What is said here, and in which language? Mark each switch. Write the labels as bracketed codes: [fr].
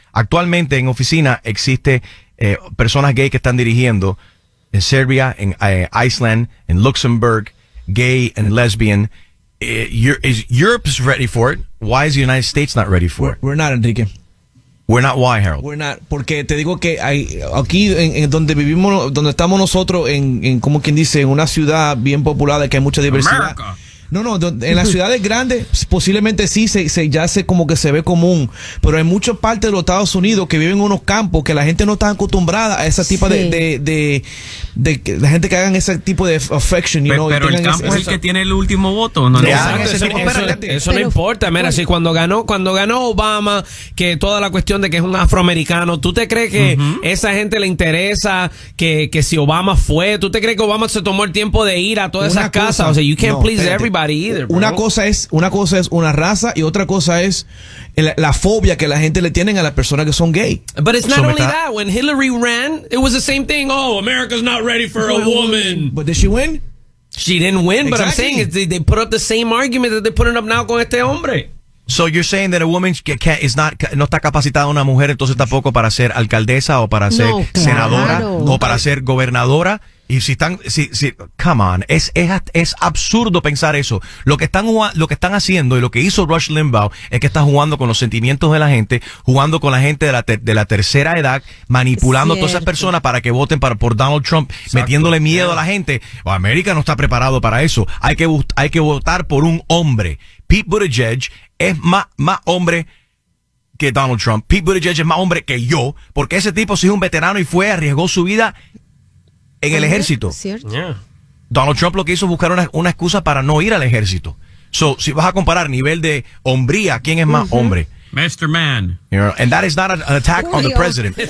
[es] Actualmente en oficina existe personas gay que están dirigiendo en Serbia, en Iceland, en Luxembourg. [en] Gay and lesbian, is Europe's ready for it? Why is the United States not ready for it? We're not, Enrique. We're not why, Harold. [es] We're not, porque te digo que hay, aquí en donde vivimos, donde estamos nosotros, en como quien dice, en una ciudad bien populada que hay mucha diversidad. [en] America. [es] No, en las ciudades grandes posiblemente sí se como que se ve común, pero hay muchas partes de los Estados Unidos que viven en unos campos que la gente no está acostumbrada a ese tipo de la gente que hagan ese tipo de affection, you know. Pero el campo es el que tiene el último voto, ¿no? No importa, mira, si cuando ganó Obama, que toda la cuestión de que es un afroamericano, ¿tú te crees que esa gente le interesa que si Obama fue? ¿Tú te crees que Obama se tomó el tiempo de ir a todas esas casas? O sea, you can't please everybody either, bro. Una cosa es una raza y otra cosa es la fobia que la gente le tienen a las personas que son gay. [en] But it's not only that. When Hillary ran, it was the same thing. Oh, America's not ready for a woman. But did she win? She didn't win, exactly. But I'm saying they put up the same argument that they're putting up now con este hombre. [es] So you're saying that a woman no está capacitada, una mujer, entonces tampoco para ser alcaldesa o para ser senadora o para ser gobernadora. Y si están, come on, es absurdo pensar eso. Lo que están haciendo y lo que hizo Rush Limbaugh es que está jugando con los sentimientos de la gente, jugando con la gente de la tercera edad, manipulando a todas esas personas para que voten por Donald Trump. Exacto. Metiéndole miedo a la gente. O América no está preparado para eso. Hay que votar por un hombre. Pete Buttigieg es más hombre que Donald Trump. Pete Buttigieg es más hombre que yo, porque ese tipo sí es un veterano y arriesgó su vida en el ejército. ¿Cierto? [en] Yeah. [es] Donald Trump lo que hizo es buscar una excusa para no ir al ejército. So, si vas a comparar nivel de hombría, ¿quién es más hombre? [en] Mr. Man. You know, and that is not an attack on the president.